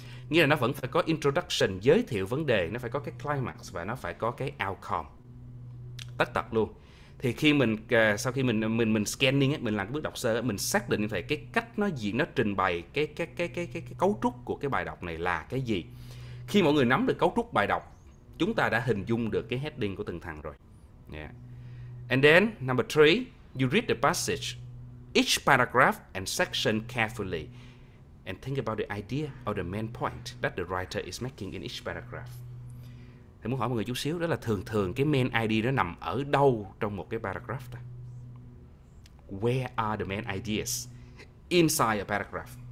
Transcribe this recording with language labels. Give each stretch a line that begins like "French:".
Vietnamese: Nghĩa là nó vẫn phải có introduction, giới thiệu vấn đề, nó phải có cái climax và nó phải có cái outcome. Tất tật luôn. Thì khi mình sau khi mình scanning ấy, mình làm cái bước đọc sơ ấy, mình xác định như vậy cái cách nó diễn, nó trình bày cái cấu trúc của cái bài đọc này là cái gì. Khi mọi người nắm được cấu trúc bài đọc, chúng ta đã hình dung được cái heading của từng thằng rồi. Yeah.
English: And then number three, you read the passage, each paragraph and section carefully. And think about the idea or the main point that the writer is making in each paragraph.
Vietnamese: Thì muốn hỏi mọi người chút xíu đó là thường thường cái main idea nó nằm ở đâu trong một cái paragraph ta?
English: Where are the main ideas inside a paragraph?